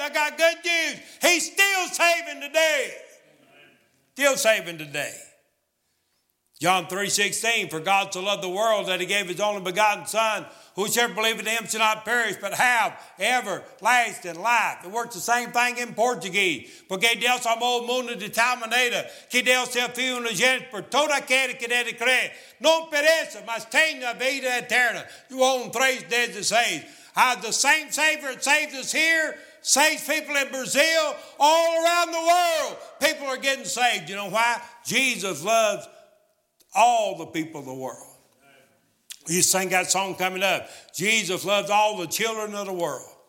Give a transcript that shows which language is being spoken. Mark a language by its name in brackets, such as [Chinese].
[English] I got good news. He's still saving today. Still saving today. John 3:16, for God so loved the world that he gave his only begotten Son, whosoever believeth in him shall not perish, but have everlasting life. It works the same thing in Portuguese. [Portuguese] Porque Deus amou o mundo de tal maneira que deu seu filho unigênito por todo aquele que nele crê. Não pereça, mas tenha a vida eterna. João 3:16. [English] Have the same Savior that saves us here, saves people in Brazil, all around the world. People are getting saved. You know why? Jesus loves all the people of the world. You sing that song coming up. Jesus loves all the children of the world.